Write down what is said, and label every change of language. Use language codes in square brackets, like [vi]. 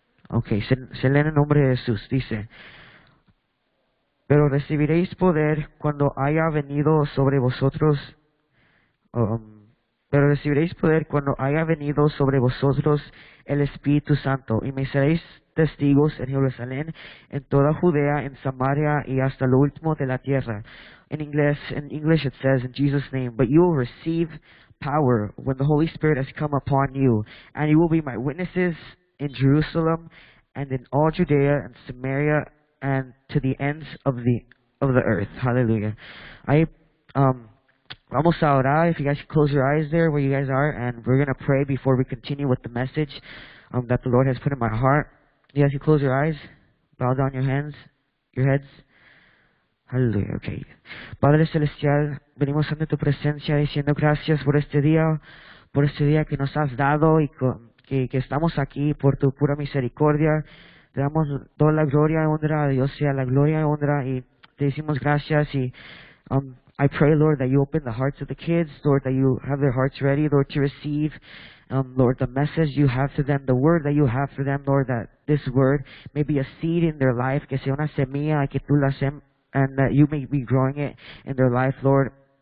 [es] Okay, se lee en el nombre de Jesús. Dice, pero recibiréis poder cuando haya venido sobre vosotros. Pero recibiréis poder cuando haya venido sobre vosotros el Espíritu Santo. Y me seréis testigos en Jerusalén, en toda Judea, en Samaria, y hasta lo último de la tierra. [en] In English it says, in Jesus' name, but you will receive power when the Holy Spirit has come upon you, and you will be my witnesses in Jerusalem, and in all Judea and Samaria, and to the ends of the earth. Hallelujah. [es] Vamos a orar. [en] If you guys close your eyes there where you guys are, and we're going to pray before we continue with the message that the Lord has put in my heart. Yes, you close your eyes, bow down your hands, your heads. Hallelujah, okay. [es] Padre Celestial, venimos ante tu presencia diciendo gracias por este día que nos has dado y que estamos aquí por tu pura misericordia. Te damos toda la gloria y honra a Dios, sea la gloria y honra, y te decimos gracias. [en] Y I pray, Lord, that you open the hearts of the kids, Lord, that you have their hearts ready, Lord, to receive, Lord, the message you have for them, the word that you have for them, Lord, that this word may be a seed in their life, [es] que sea una semilla, que tú la sem, [en] and that you may be growing it in their life, Lord.